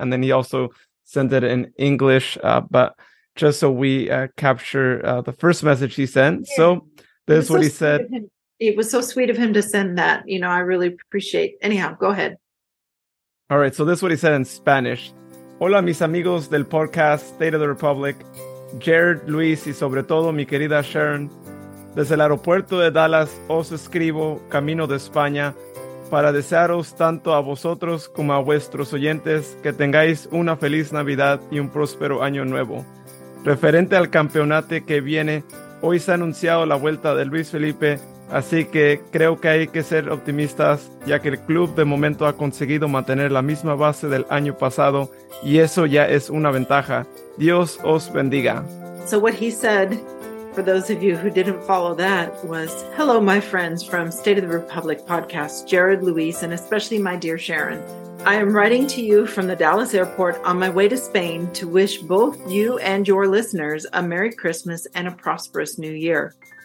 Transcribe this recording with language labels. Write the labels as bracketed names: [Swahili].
[English] And then he also sent it in English. But just so we capture the first message he sent. Yeah. So this is what he said. It was so sweet of him to send that. You know, I really appreciate. Anyhow, go ahead. All right. So this is what he said in Spanish. [Spanish] Hola, mis amigos del podcast State of the Republic. Jared, Luis, y sobre todo mi querida Sharon. Desde el aeropuerto de Dallas os escribo camino de España para desearos tanto a vosotros como a vuestros oyentes que tengáis una feliz Navidad y un próspero año nuevo. Referente al campeonato que viene, hoy se ha anunciado la vuelta de Luis Felipe, así que creo que hay que ser optimistas, ya que el club de momento ha conseguido mantener la misma base del año pasado, y eso ya es una ventaja. Dios os bendiga. [English] So what he said, for those of you who didn't follow that, was, hello, my friends from State of the Republic podcast, Jared, Luis, and especially my dear Sharon. I am writing to you from the Dallas airport on my way to Spain to wish both you and your listeners a Merry Christmas and a prosperous New Year.